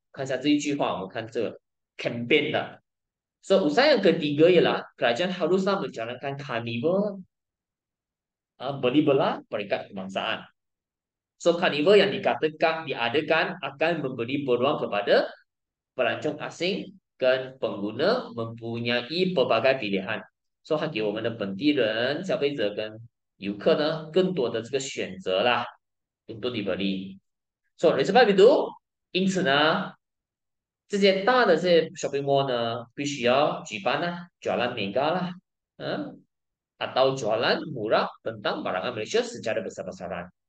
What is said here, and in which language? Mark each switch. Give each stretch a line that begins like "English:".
Chinese: 看一下这一句话，我们看这个 campaign 的。
Malay: So usaha yang ketiga ialah kerajaan haruslah menjalankan carnival beli belah peringkat kebangsaan. So carnival yang dikatakan diadakan akan memberi peluang kepada pelancong asing dan pengguna mempunyai pelbagai pilihan.
Chinese: So 它给我们的本地人、消费者跟游客呢更多的这个选择啦，更多的福利。
English: So reason why we do，
Chinese: 因此呢。 这些大的这些 shopping mall 呢，必须要举办啦，jualan mega 啦，
Malay: atau jualan murah tentang barangan Malaysia secara besar-besaran.